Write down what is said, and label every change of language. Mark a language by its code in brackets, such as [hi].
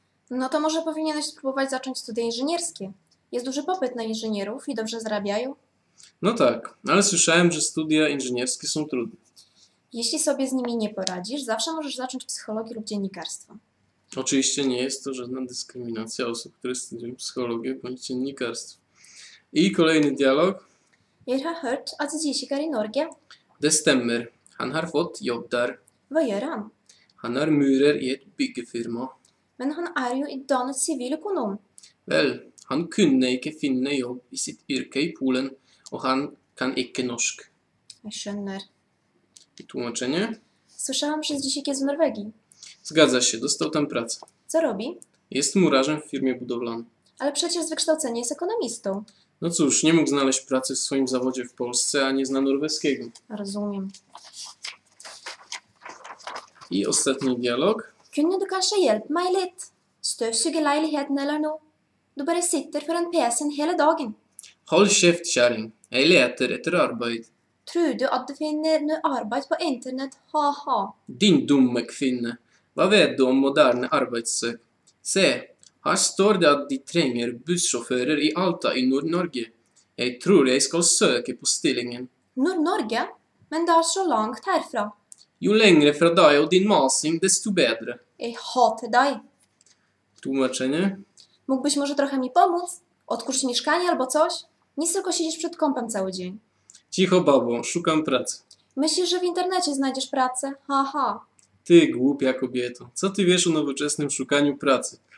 [pl] No to może powinieneś spróbować zacząć studia inżynierskie. Jest duży popyt na inżynierów i dobrze zarabiają. No tak, ale słyszałem, że studia inżynierskie są trudne. Jeśli sobie z nimi nie poradzisz, zawsze możesz zacząć psychologię lub dziennikarstwo. Oczywiście nie jest to żadna dyskryminacja osób, które studiują psychologię bądź dziennikarstwo. I kolejny dialog. [no] Jeg har hørt at du kikker i Norge. Det stemmer. Han har fått jobb der. Hva gjør han? Han er murer i et byggefirma. Men han er jo utdannet siviløkonom. Vel, han kunne ikke finne jobb i sitt yrke i Polen, og han kan ikke norsk. Jeg skjønner. [pl] I tłumaczenie? Słyszałam, że dzisiaj jest w Norwegii. Zgadza się, dostał tam pracę. Co robi? Jest murarzem w firmie budowlanej. Ale przecież z wykształcenia jest ekonomistą. No cóż, nie mógł znaleźć pracy w swoim zawodzie w Polsce, a nie zna norweskiego. Rozumiem. I ostatni dialog. [no] Kunne du kanskje hjelpe meg litt? Støvsuge leiligheten eller noe? Du bare sitter foran PC-en hele dagen. Hold kjeft, kjæring. Jeg leter etter arbeid. Tror du at du finner noe arbeid på internett? Ha-ha. Din dumme kvinne. Hva vet du om moderne arbeidssøk? Se, her står det at de trenger bussjåfører i Alta i Nord-Norge. Jeg tror jeg skal søke på stillingen. Nord-Norge? Men det er så langt herfra. Jo lengre fra deg og din masing, desto bedre. Jeg hater deg. [pl] Tłumaczenie? Mógł byś może trochę mi pomóc? Odkurz mieszkanie albo coś? Nic tylko siedzisz przed kompem cały dzień. Cicho, babo, szukam pracy. Myślisz, że w internecie znajdziesz pracę? Haha. Ty, głupia kobieto, co ty wiesz o nowoczesnym szukaniu pracy?